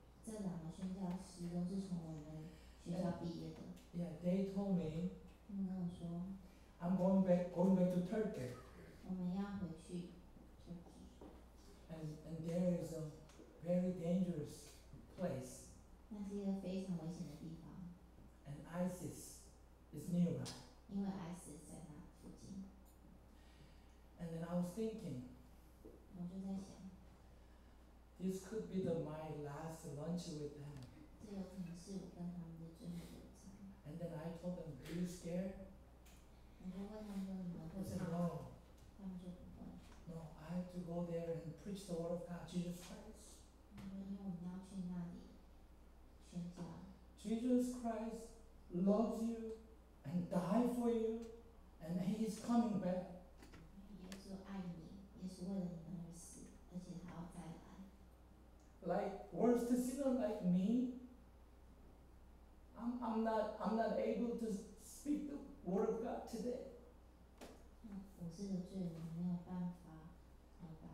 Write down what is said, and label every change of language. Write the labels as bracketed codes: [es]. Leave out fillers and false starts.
[zh] 这两个宣教师都是从我们学校毕业的。 [en] Yeah, they told me. [zh] 他们跟我说。 [en] I'm going back to Turkey. [zh] 我们要回去 Turkey. [en] And there is a very dangerous place. [zh] 那是一个非常危险的地方。 [en] And ISIS is nearby. [zh] 因为 ISIS 在那附近。 [en] And then I was thinking. [zh] 我就在想。 [en] This could be my last lunch with them. [zh] 这有可能是我跟他们的最后一餐。 [en] And then I told them, "Are you scared?" [zh] 我就问他们说：“你们会怕吗？” [en] They said, "No." [zh] 他们就不会。 [en] No, I have to go there and preach the word of God, Jesus Christ. [zh] 因为我们要去那里。 [en] Jesus Christ loves you and died for you. And he is coming back. [zh] 耶稣爱你，耶稣为了你们而死，而且还要再来。 [en] Like worst sinner like me, I'm not able to speak the word of God today. [zh] 我是个罪人，没有办法把。